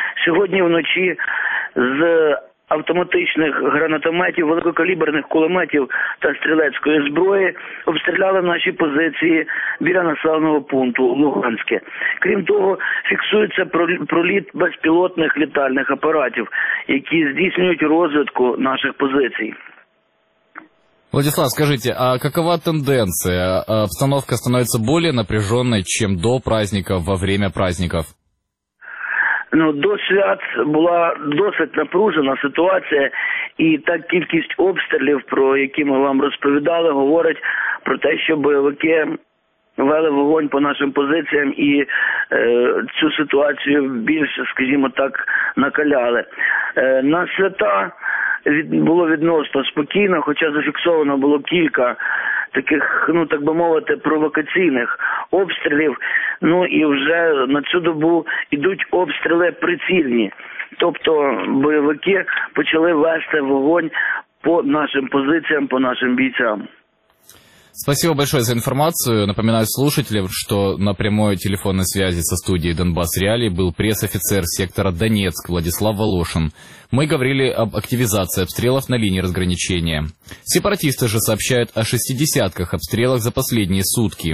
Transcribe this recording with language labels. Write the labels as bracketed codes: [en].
[uk] Сьогодні вночі з автоматичних гранатометів, великокаліберних кулеметів та стрілецької зброї обстріляли наші позиції біля населеного пункту Луганське. Крім того, фіксується проліт безпілотних літальних апаратів, які здійснюють розвідку наших позицій. [ru] Владислав, скажите, а какова тенденція? Обстановка становится более напряженной, чем до праздников, во время праздников? [uk] Ну, до свят була досить напружена ситуація, і та кількість обстрілів, про які ми вам розповідали, говорить про те, що бойовики вели вогонь по нашим позиціям і цю ситуацію більше, скажімо так, накаляли. На свята було відносно спокійно, хоча зафіксовано було кілька таких, ну так би мовити, провокаційних обстрілів. Ну і вже на цю добу йдуть обстріли прицільні. Тобто бойовики почали вести вогонь по нашим позиціям, по нашим бійцям. [ru] Спасибо большое за информацию. Напоминаю слушателям, что на прямой телефонной связи со студией «Донбасс Реалии» был пресс-офицер сектора «Донецк» Владислав Волошин. Мы говорили об активизации обстрелов на линии разграничения. Сепаратисты же сообщают о 60-ках обстрелах за последние сутки.